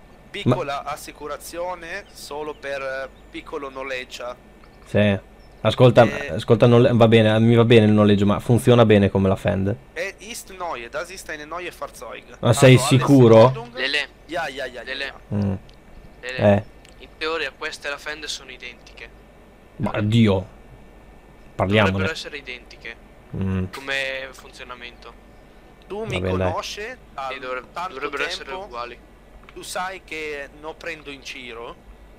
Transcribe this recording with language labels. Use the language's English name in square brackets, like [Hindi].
[Italian] Piccola assicurazione solo per piccolo noleggia. Sì. Ascolta, va bene, mi va bene il noleggio, ma funziona bene come la Fend. [German] Ist neue, das ist eine neue Fahrzeug. [Italian] Ma sei [German] also, [Italian] sicuro? Lele. [German] Ja. [Italian] Lele. In teoria queste e la Fend sono identiche. Ma Dio. Parliamone. Dovrebbero essere identiche. Come funzionamento. Tu mi conosci? Dovrebbero essere uguali. Tu sai che non prendo in giro.